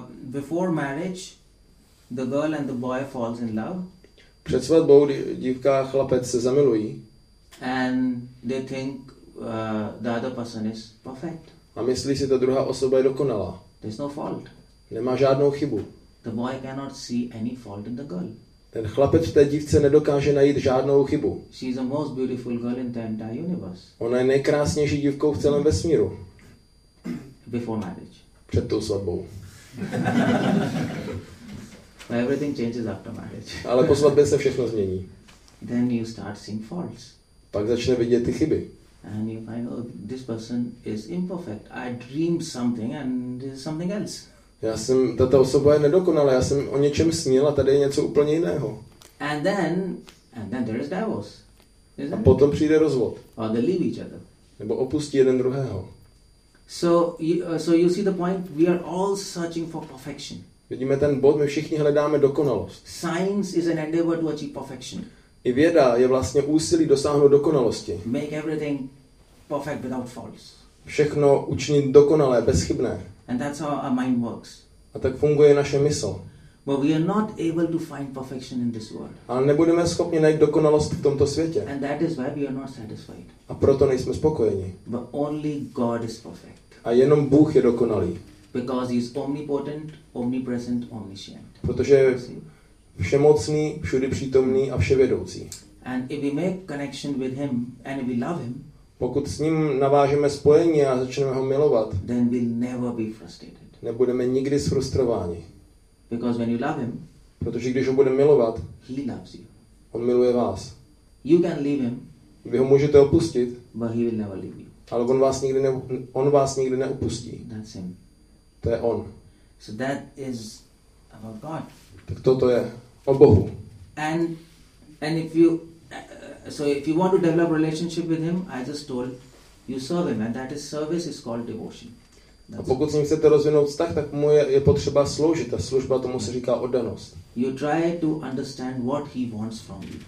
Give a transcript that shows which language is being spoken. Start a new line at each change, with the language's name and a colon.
English: Before marriage, the girl and the boy falls in love.
Czech: Před svatbou dívka a chlapec se zamilují.
English: And they think the other person is perfect.
Czech: A myslí si, ta druhá osoba je dokonalá.
English: There's no fault.
Czech: Nemá žádnou chybu.
English: The boy cannot see any fault in the girl.
Czech: Ten chlapec v té dívce nedokáže najít žádnou chybu.
English: She is the most beautiful girl in the entire universe.
Czech: Ona je nejkrásnější dívkou v celém vesmíru.
English: Before marriage.
Czech: Před tou svatbou.
English: Everything changes after marriage.
Czech: Ale po svatbě se všechno změní.
English: Then you start seeing faults.
Czech: Pak začne vidět ty chyby.
English: And you find, oh, this person is imperfect. I dreamed something and there's something else.
Czech: Tato osoba je nedokonalá, já jsem o něčem snil a tady je něco úplně jiného.
English: And then there is divorce, isn't it?
Czech: A potom přijde rozvod.
English: Or they leave each other.
Czech: Nebo opustí jeden druhého.
English: So you see the point, we are all searching for perfection.
Czech: Vidíme ten bod, my všichni hledáme dokonalost.
English: Science is an endeavor to achieve perfection.
Czech: I věda je vlastně úsilí dosáhnout dokonalosti.
English: Make everything perfect without faults.
Czech: Všechno učinit dokonalé, bezchybné.
English: And that's how our mind works.
Czech: A tak funguje naše mysl.
English: But we are not able to find perfection in this world.
Czech: Ale nebudeme schopni najít dokonalost v tomto světě.
English: And that is why we are not satisfied.
Czech: A proto nejsme spokojeni.
English: But only God is perfect.
Czech: A jenom Bůh je dokonalý.
English: Because he is omnipotent, omnipresent, omniscient.
Czech: Protože je všemocný, všudy přítomný a vševědoucí.
English: And if we make connection with him and if we love him,
Czech: pokud s ním navážeme spojení a začneme ho milovat,
English: then we'll never be frustrated.
Czech: Nebudeme nikdy sfrustrováni.
English: Because when you love him,
Czech: protože když ho budeme milovat,
English: he loves you.
Czech: On miluje vás.
English: You can leave him,
Czech: vy ho můžete opustit,
English: but he will never leave you.
Czech: Ale on vás nikdy neopustí.
English: That's him.
Czech: To je on.
English: So that is about God.
Czech: Tak toto je o Bohu.
English: And if you so if you want to develop relationship with him, I just told you serve him, and that is service is called devotion.
Czech: A pokud s ním chcete rozvinout vztah, tak mu je potřeba sloužit. A služba, tomu se říká oddanost.
English: You try to understand what he wants from you.